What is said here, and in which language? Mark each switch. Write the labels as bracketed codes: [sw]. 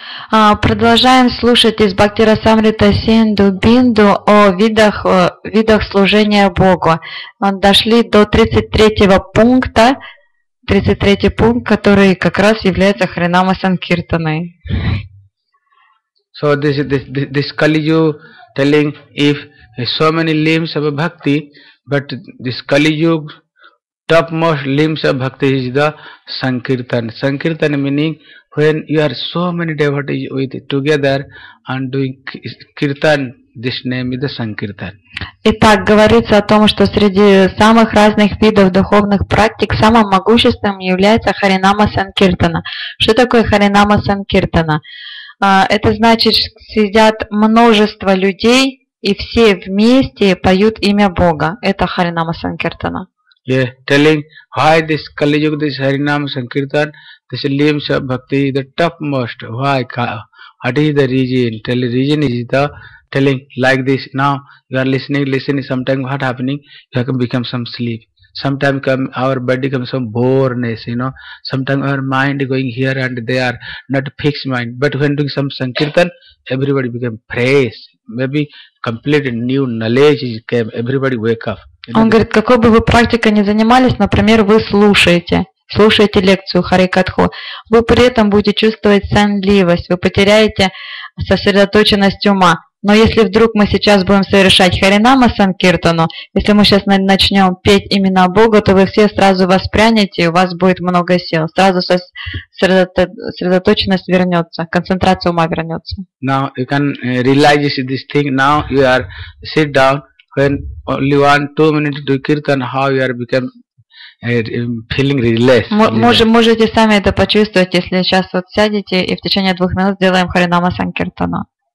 [ru] Продолжаем слушать из Бхакти Расамрита Синду Бинду о видах служения Богу. Дошли до 33-го пункта, 33-й пункт, который как раз является Харинама Санкиртаной. [en] So this Kali Yuga telling if so many limbs of bhakti, but this Kali Yuga topmost limbs of bhakti is the sankirtan. Sankirtan meaning when you are so many devotees with together and doing kirtan, this name is the sankirtan. [ru] Итак, говорится о том, что среди самых разных видов духовных практик самым могущественным является харинама санкиртана. Что такое харинама санкиртана? Это значит, что сидят множество людей и все вместе поют имя Бога. Это харинама санкиртана. [en] Yeah, telling why this Kali Yuga, this Harinam Sankirtan, this limbs of bhakti is the topmost. Why? What is the reason? Tell the reason is the telling like this. Now you are listening, sometimes what happening? You have become some sleep. Sometimes our body comes from boreness, you know. Sometimes our mind going here and there, not fixed mind. But when doing some sankirtan, everybody becomes fresh. Maybe complete new knowledge came. Everybody wake up. [ru] Он говорит, какой бы вы практикой ни занимались, например, вы слушаете лекцию Хари Катху, вы при этом будете чувствовать сонливость, вы потеряете сосредоточенность ума. Но если вдруг мы сейчас будем совершать Харинама Санкиртану, если мы сейчас начнем петь имена Бога, то вы все сразу воспрянете, и у вас будет много сил. Сразу сосредоточенность вернется, концентрация ума вернется. [en] Now you can realize this thing. Now you are sit down. When only 1-2 minutes do kirtan, how you are become feeling relaxed. [ru] Можете сами это почувствовать, если сейчас вот сядете и в течение 2 минут сделаем Харинама Санкиртана.